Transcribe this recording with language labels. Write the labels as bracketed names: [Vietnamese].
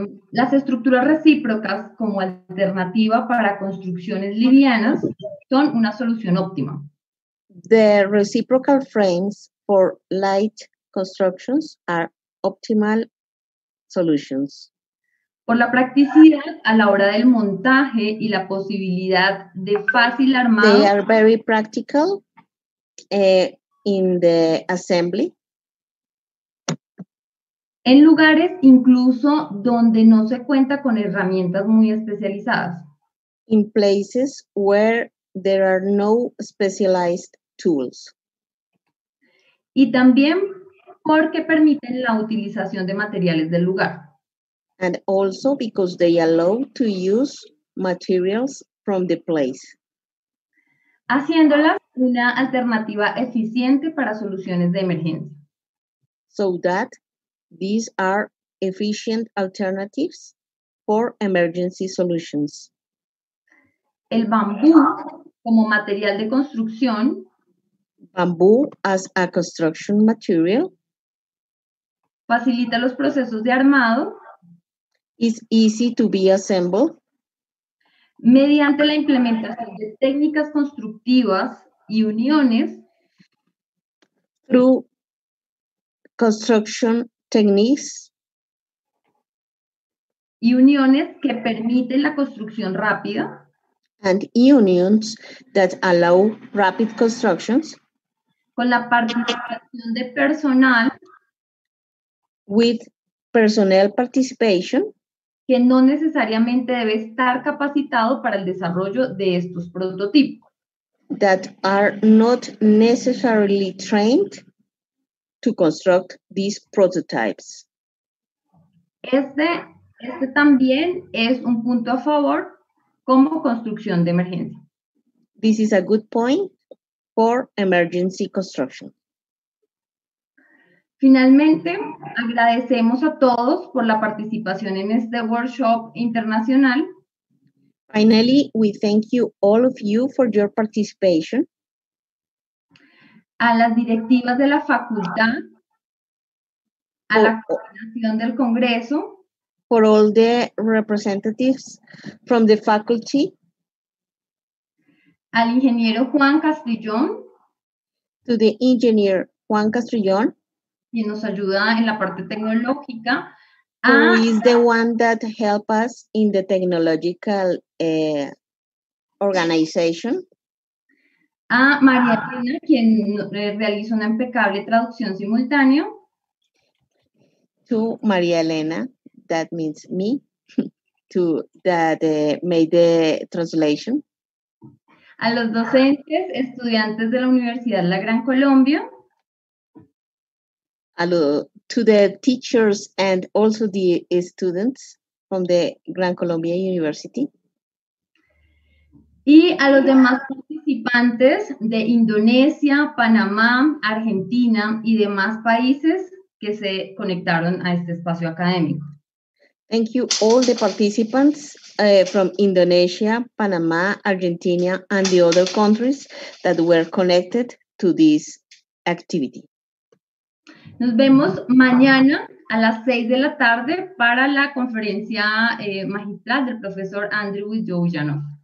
[Spanish] las estructuras recíprocas como alternativa para construcciones livianas son una solución óptima. [English] The reciprocal frames for light constructions are optimal solutions. [Spanish] por la practicidad a la hora del montaje y la posibilidad de fácil armado. [English] They are very practical in the assembly. [Spanish] En lugares incluso donde no se cuenta con herramientas muy especializadas. [English] In places where there are no specialized tools. [Spanish] Y también porque permiten la utilización de materiales del lugar. [English] And also because they allow to use materials from the place. [Spanish] Haciéndolas una alternativa eficiente para soluciones de emergencia. [English] So that these are efficient alternatives for emergency solutions. [Spanish] El bambú como material de construcción. [English] Bamboo as a construction material. [Spanish] Facilita los procesos de armado. [English] Is easy to be assembled. [Spanish] Mediante la implementación de técnicas constructivas y uniones. [English] Through construction techniques. [Spanish] Y uniones que permiten la construcción rápida. [English] And unions that allow rapid constructions. [Spanish] Con la participación de personal. [English] With personnel participation. [Spanish] Que no necesariamente debe estar capacitado para el desarrollo de estos prototipos. [English] That are not necessarily trained to construct these prototypes. [Spanish] Este también es un punto a favor como construcción de emergencia. [English] This is a good point for emergency construction. [Spanish] Finalmente, agradecemos a todos por la participación en este workshop internacional. [English] Finally, we thank you all of you for your participation. [Spanish] A las directivas de la facultad, a la coordinación del Congreso. [English] For all the representatives from the faculty. [Spanish] Al ingeniero Juan Castrillón. [English] To the engineer Juan Castrillón. [Spanish] Quien nos ayuda en la parte tecnológica. [English] Who is the one that help us in the technological organization. [Spanish] A María Elena, quien realiza una impecable traducción simultánea. [English] To María Elena, that means me, to that made the translation. [Spanish] A los docentes, estudiantes de la Universidad La Gran Colombia. [English] Hello to the teachers and also the students from the Gran Colombia University. [Spanish] Y a los demás participantes de Indonesia, Panamá, Argentina y demás países que se conectaron a este espacio académico. [English] Thank you all the participants from Indonesia, Panamá, Argentina and the other countries that were connected to this activity. [Spanish] Nos vemos mañana a las 6 de la tarde para la conferencia magistral del profesor Andrew Widjojanov.